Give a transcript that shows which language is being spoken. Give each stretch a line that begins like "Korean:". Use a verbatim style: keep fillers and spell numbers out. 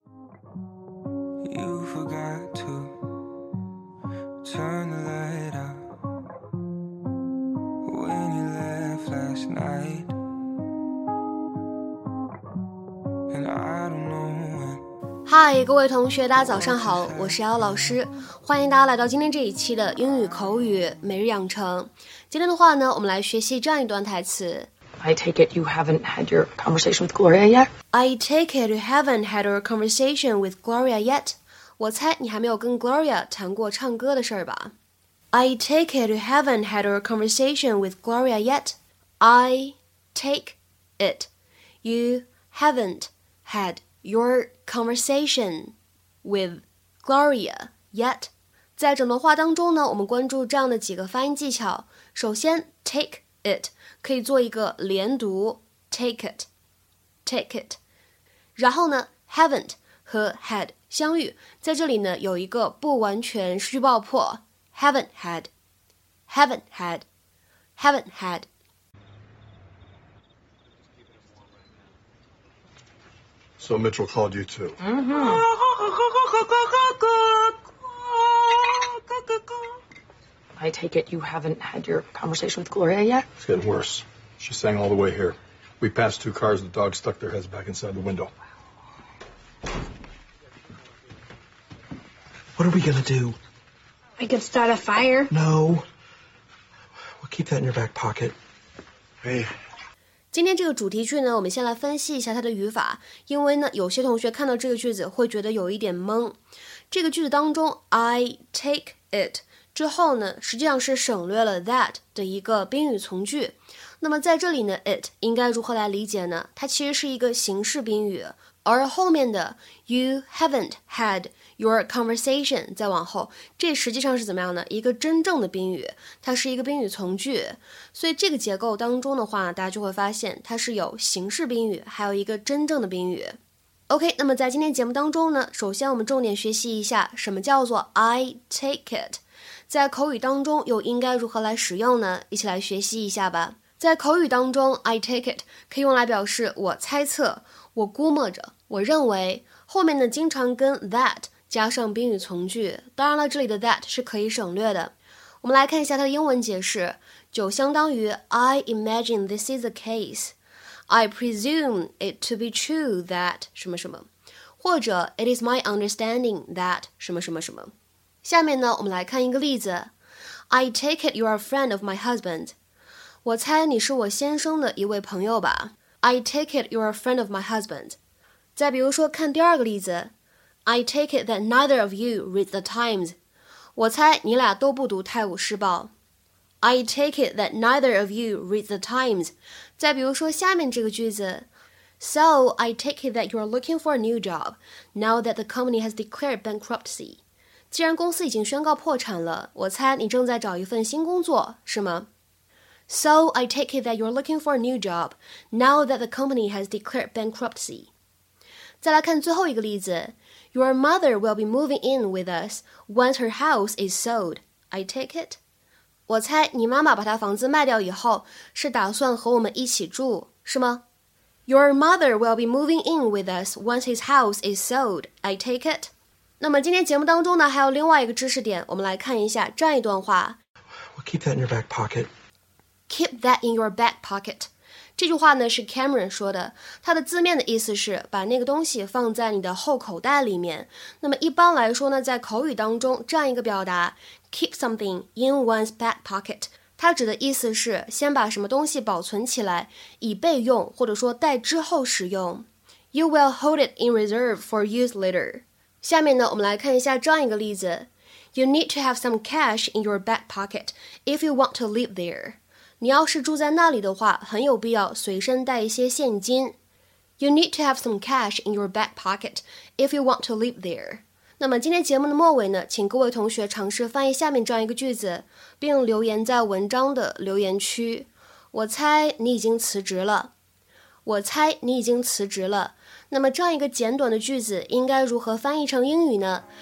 English: You forgot to turn the light out when you left last night, and I don't know when.
Chinese: 嗨，各位同学，大家早上好，我是姚老师，欢迎大家来到今天这一期的英语口语每日养成。今天的话呢，我们来学习这样一段台词。
English: I take it you haven't had your conversation with Gloria yet. I take it you haven't had your conversation with Gloria yet.
Chinese: 我猜你还没有跟 Gloria 谈过唱歌的事儿吧。
English: I take it you haven't had your conversation with Gloria yet. I take it you haven't had. Your conversation with Gloria yet.
Chinese: 在整段话当中呢，我们关注这样的几个发音技巧。首先 take it 可以做一个连读
English: take it take it
Chinese: 然后呢 haven't 和 had 相遇，在这里呢有一个不完全失去爆破
English: haven't had haven't had haven't had So Mitchell called you too. Mm-hmm. I take it you haven't had your conversation with Gloria yet? It's getting worse. She sang all the way here. We passed two cars. The dogs stuck their heads back inside the window. What are we going to do? We could start a fire. No. We'll keep that in your back pocket. Hey.
Chinese: 今天这个主题句呢，我们先来分析一下它的语法，因为呢，有些同学看到这个句子会觉得有一点懵。这个句子当中
English: I take it
Chinese: 之后呢，实际上是省略了 that 的一个宾语从句。那么在这里呢 it 应该如何来理解呢？它其实是一个形式宾语，而后面的
English: you haven't had your conversation
Chinese: 再往后，这实际上是怎么样呢？一个真正的宾语，它是一个宾语从句。所以这个结构当中的话，大家就会发现它是有形式宾语，还有一个真正的宾语。 OK， 那么在今天节目当中呢，首先我们重点学习一下什么叫做
English: I take it，
Chinese: 在口语当中又应该如何来使用呢？一起来学习一下吧。在口语当中
English: I take it
Chinese: 可以用来表示我猜测，我估摸着，我认为，后面呢经常跟 that 加上宾语从句，当然了，这里的 that 是可以省略的。我们来看一下它的英文解释，就相当于
English: I imagine this is the case, I presume it to be true that
Chinese: 什么什么，或者
English: It is my understanding that
Chinese: 什么什么什么。下面呢，我们来看一个例子 ，
English: I take it you are a friend of my husband，
Chinese: 我猜你是我先生的一位朋友吧。
English: I take it you are a friend of my husband。
Chinese: 再比如说，看第二个例子
English: ，I take it that neither of you read the Times。
Chinese: 我猜你俩都不读《泰晤士报》。
English: I take it that neither of you read the Times。
Chinese: 再比如说，下面这个句子
English: ，So I take it that you are looking for a new job now that the company has declared bankruptcy。
Chinese: 既然公司已经宣告破产了，我猜你正在找一份新工作，是吗？
English: So I take it that you're looking for a new job now that the company has declared bankruptcy.
Chinese: 再来看最后一个例子
English: Your mother will be moving in with us once her house is sold. I take it.
Chinese: 我猜你妈妈把她房子卖掉以后是打算和我们一起住，是吗？
English: Your mother will be moving in with us once his house is sold. I take it.
Chinese: 那么今天节目当中呢，还有另外一个知识点，我们来看一下这样一段话
English: We'll keep that in your back pocket. Keep that in your back pocket.
Chinese: 这句话呢是 Cameron 说的，它的字面的意思是把那个东西放在你的后口袋里面。那么一般来说呢，在口语当中这样一个表达
English: keep something in one's back pocket，
Chinese: 它指的意思是先把什么东西保存起来，以备用或者说待之后使用。
English: You will hold it in reserve for use later.
Chinese: 下面呢，我们来看一下这样一个例子
English: You need to have some cash in your back pocket if you want to live there.
Chinese: 你要是住在那里的话，很有必要随身带一些现金。
English: You need to have some cash in your back pocket if you want to live there.
Chinese: 那么今天节目的末尾呢，请各位同学尝试翻译下面这样一个句子，并留言在文章的留言区。我猜你已经辞职了。我猜你已经辞职了。那么这样一个简短的句子应该如何翻译成英语呢？